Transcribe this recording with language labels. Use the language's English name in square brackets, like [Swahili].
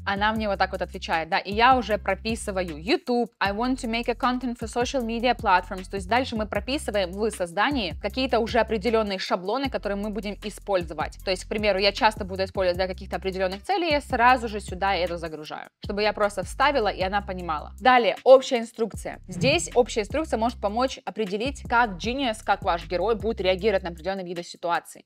[Russian] Она мне вот так вот отвечает, да, и я уже прописываю YouTube. [English] I want to make a content for social media platforms. [Russian] То есть дальше мы прописываем в создании какие-то уже определенные шаблоны, которые мы будем использовать. То есть, к примеру, я часто буду использовать для каких-то определенных целей, я сразу же сюда это загружаю, чтобы я просто вставила, и она понимала. Далее, общая инструкция. Здесь общая инструкция может помочь определить, как genius, как ваш герой будет реагировать на определенные виды ситуации.